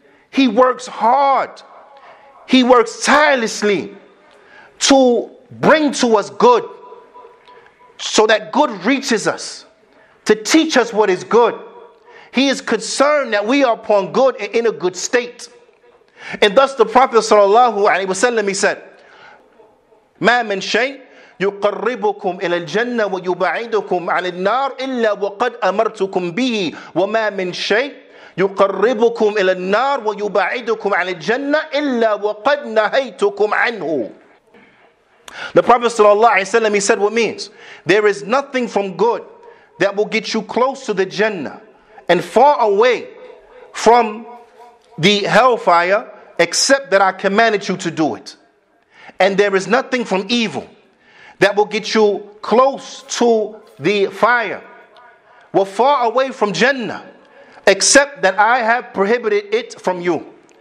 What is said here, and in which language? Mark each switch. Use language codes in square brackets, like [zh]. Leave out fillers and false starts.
[en] He works hard. He works tirelessly to bring to us good, so that good reaches us, to teach us what is good. He is concerned that we are upon good and in a good state. And thus the Prophet sallallahu alaihi wasallam, he said, [ar] مَا مِنْ شَيْءٍ يُقَرِّبُكُمْ إِلَى الْجَنَّةِ وَيُبَعِدُكُمْ عَلَى النَّارِ إِلَّا وَقَدْ أَمَرْتُكُمْ بِهِ وَمَا مِنْ شَيْءٍ يُقَرِّبُكُمْ إِلَى النَّارِ وَيُبَعِدُكُمْ عَلَى الْجَنَّةِ إِلَّا وَقَدْ نَهَيْتُكُمْ عَنْهُ. [en] The Prophet sallallahu alaihi wasallam, he said, what means? There is nothing from good that will get you close to the Jannah and far away from the hellfire except that I commanded you to do it. And there is nothing from evil that will get you close to the fire, or far away from Jannah, except that I have prohibited it from you.